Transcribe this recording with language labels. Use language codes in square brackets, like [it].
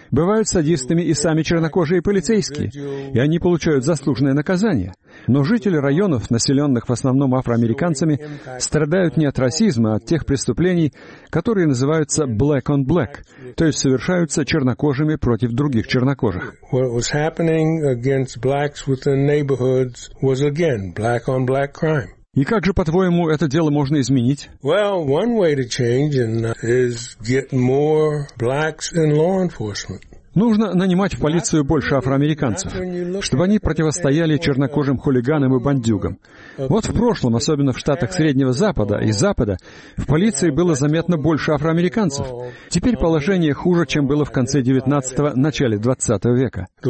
[ru] Бывают садистами и сами чернокожие полицейские, и они получают заслуженное наказание. Но жители районов, населенных в основном афроамериканцами, страдают не от расизма, а от тех преступлений, которые называются [en] «black on black», [ru] то есть совершаются чернокожими против других чернокожих. [en] What was happening against blacks within neighborhoods was again black on black crime. [ru] И как же, по-твоему, это дело можно изменить? [en] Well, one way to change is get more blacks in law enforcement. [ru] Нужно нанимать в полицию больше афроамериканцев, чтобы они противостояли чернокожим хулиганам и бандюгам. Вот в прошлом, особенно в штатах Среднего Запада и Запада, в полиции было заметно больше афроамериканцев. Теперь положение хуже, чем было в конце 19-го, начале 20-го века.